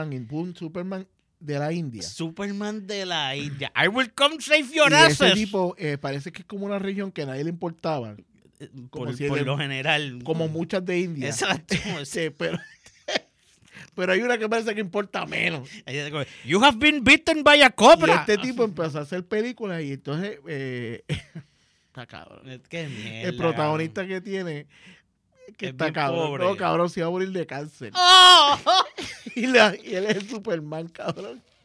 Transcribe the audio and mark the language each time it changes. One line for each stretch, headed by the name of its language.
Spanish: Un Superman. De la India. Superman de la India.
English: I will come save your asses.
Spanish: Ese tipo parece que es como una región que a nadie le importaba. Por lo general. Como muchas de India. Exacto. Sí, pero hay una que parece que importa menos.
English: You have been bitten by a cobra.
Spanish: Y este tipo empezó a hacer películas y entonces... está cabrón. Qué mierda. El protagonista que tiene... Que es está cabrón. Pobre. No, cabrón, se va a morir de cáncer. ¡Oh! Y él es el Superman, cabrón.